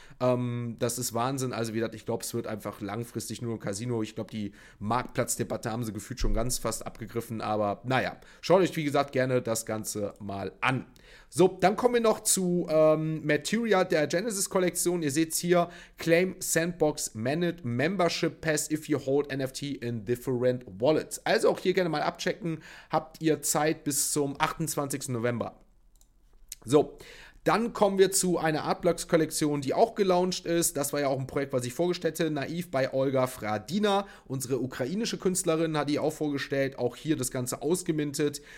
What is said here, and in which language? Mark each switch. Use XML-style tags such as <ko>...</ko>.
<de>Das ist Wahnsinn. Also wie gesagt, ich glaube, es wird einfach langfristig nur ein Casino. Ich glaube, die Marktplatzdebatte haben sie gefühlt schon ganz fast abgegriffen. Aber naja, schaut euch, wie gesagt, gerne das Ganze mal an. So, dann kommen wir noch zu Materia der Genesis-Kollektion. Ihr seht es hier.</de> <en>Claim Sandbox Managed Membership Pass if you hold NFT in different wallets.</en> <de>Also auch hier gerne mal abchecken. Habt ihr Zeit bis zum 28. November. So, dann kommen wir zu einer Artblocks-Kollektion, die auch gelauncht ist. Das war ja auch ein Projekt, was ich vorgestellt hatte. Naiv bei Olga Fradina. Unsere ukrainische Künstlerin hat die auch vorgestellt. Auch hier das Ganze ausgemintet.</de>